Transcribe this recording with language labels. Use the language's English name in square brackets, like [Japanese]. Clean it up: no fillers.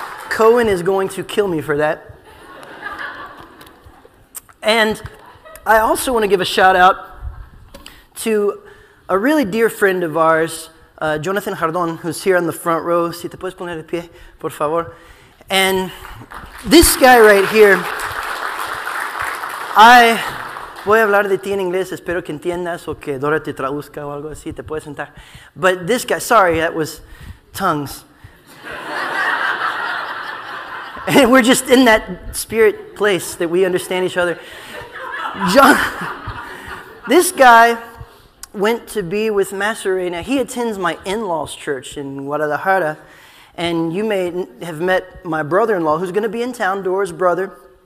[English] Cohen is going to kill me for that. And I also want to give a shout out to a really dear friend of ours, Jonathan Jardon, who's here on the front row. [Spanish] Si te puedes poner de pie, por favor. [English] And this guy right here, I [Spanish] voy a hablar de ti en inglés, espero que entiendas o que Dora te traduzca o algo así, te puedes sentar. [English] But this guy, sorry, that was tongues. And we're just in that spirit place that we understand each other. John, this guy went to be with Macerena. He attends my in-law's church in Guadalajara. And you may have met my brother-in-law, who's going to be in town, Dora's brother.